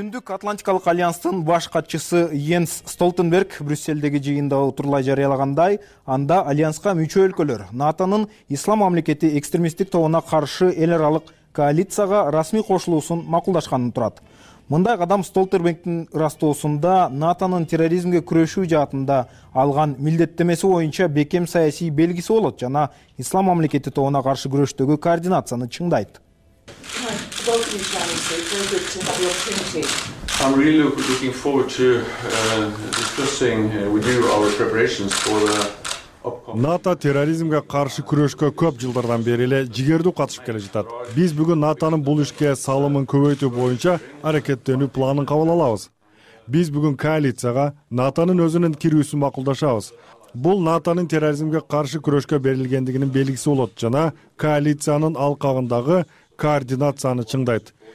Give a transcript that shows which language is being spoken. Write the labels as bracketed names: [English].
[Kyrgyz] Атлантикалык альянстын баш катчысы Йенс Столтенберг Брюсселдеги жыйында утурлай жарыялагандай, анда альянска мүчө өлкөлөр НАТОнун ислам мамлекети экстремисттик тобуна каршы эл аралык коалицияга расмий кошулуусун макулдашканын турат. Мындай кадам Столтенбергдин ырастоосунда НАТОнун терроризмге күрөшүү жаатында алган милдеттемеси боюнча бекем саясий белгиси болот жана ислам мамлекети тобуна каршы күрөштөгү координацияны чыңдайт. [English] I'm really looking forward to discussing with you our preparations for the upcoming [Kyrgyz] НАТО терроризмге каршы күрөшкө көп жылдардан бери эле жигердүү катышып келе жатат. Биз бүгүн НАТОнун бул ишке салымын көбөйтүү боюнча аракеттенүү планын кабыл алабыз. Биз бүгүн коалицияга НАТОнун өзүнүн кирүүсүн макулдашабыз. Бул НАТОнун терроризмге каршы күрөшкө берилгендигинин белгиси болот жана коалициянын алкагындагы координацияны чыңдайт.